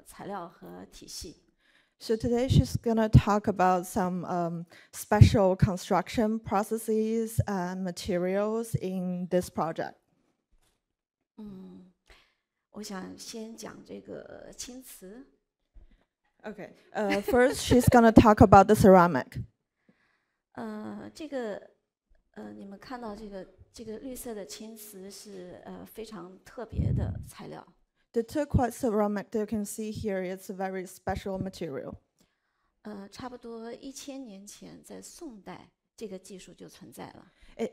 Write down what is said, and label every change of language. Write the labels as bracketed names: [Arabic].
[Chinese] 所以我今天主要是讲和就是这个项目里的一些特殊的建造的这个材料和体系。So [English] today she's gonna talk about some special construction processes and materials in this project. [Chinese] 我想先讲这个青瓷。Okay. [English] First she's gonna talk about the ceramic. [Chinese] 这个你们看到这个绿色的青瓷是非常特别的材料。The [English] turquoise ceramic that you can see here, it's a very special material. [Chinese] 差不多1000年前在宋代这个技术就存在了。It